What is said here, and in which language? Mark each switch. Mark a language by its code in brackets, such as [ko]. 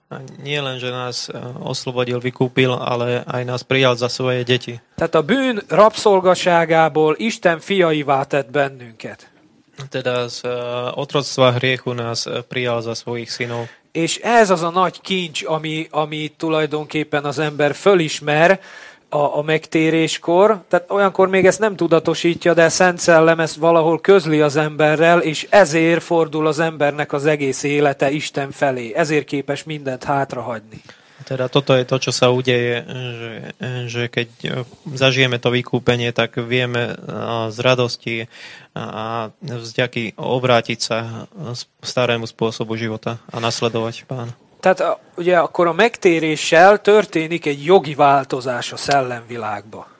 [sk] A nie len, že nás oslobodil, vykúpil, ale aj nás prijal za svoje deti. [hu] Tehát a bűn rabszolgaságából Isten fiaivá tett bennünket. [sk] Teda z otroctva hriechu nás prijal za svojich synov. [hu] És ez az a nagy kincs, ami tulajdonképpen az ember fölismer a megtéréskor. Tehát olyankor még ezt nem tudatosítja, de Szent Szellem ezt valahol közli az emberrel, és ezért fordul az embernek az egész élete Isten felé. Ezért képes mindent hátrahagyni. [sk] Teda toto je to, čo sa udeje, že keď zažijeme to vykúpenie, tak vieme z radosti a vzďaky obrátiť sa starému spôsobu života a nasledovať Pána. [hu] Tehát ugye akkor a megtéréssel történik egy jogi változás a szellemvilágba.